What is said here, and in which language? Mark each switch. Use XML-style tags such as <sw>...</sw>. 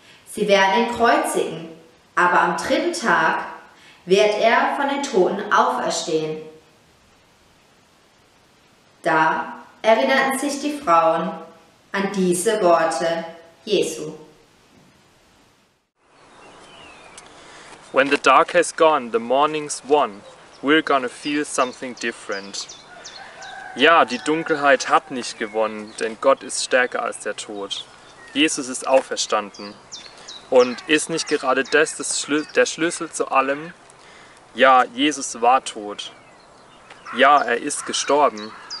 <de>Sie werden ihn kreuzigen, aber am dritten Tag wird er von den Toten auferstehen. Da erinnerten sich die Frauen an diese Worte Jesu.</de> <en>When the dark has gone, the morning's won, we're gonna feel something different.</en> <de>Ja, die Dunkelheit hat nicht gewonnen, denn Gott ist stärker als der Tod. Jesus ist auferstanden. Und ist nicht gerade der Schlüssel zu allem? Ja, Jesus war tot. Ja, er ist gestorben.</de>